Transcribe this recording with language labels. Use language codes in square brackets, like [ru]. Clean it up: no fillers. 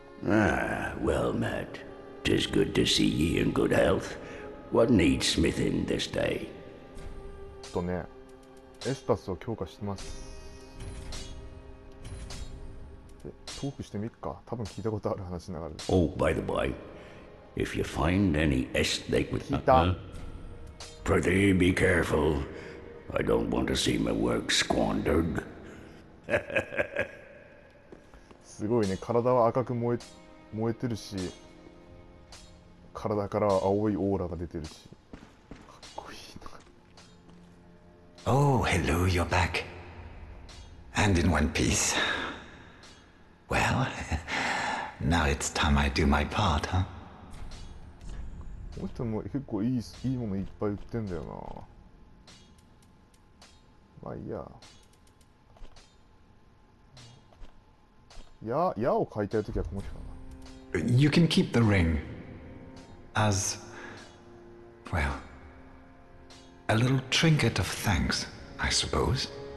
[en] ああ、well met. 'Tis good to see ye in good health. What needs smith in this day? [ja] とね、エスタスを強化してます。で、トークしてみっか。多分聞いたことある話ながら。 [en] Oh, by the way, if you find any estate with me, pretty be careful. I don't want to see my work squandered. [ja] すごいね。体は赤く燃えてるし、体から青いオーラが出てるし。 [en] Oh, hello, you're back. And in one piece. Well, now it's time I do my part, huh? [ja] この人も結構いいものいっぱい売ってんだよな。まあいいや。矢を買いたいときはこの人かな。 [en] You can keep the ring. As, well, a little trinket of thanks. I suppose.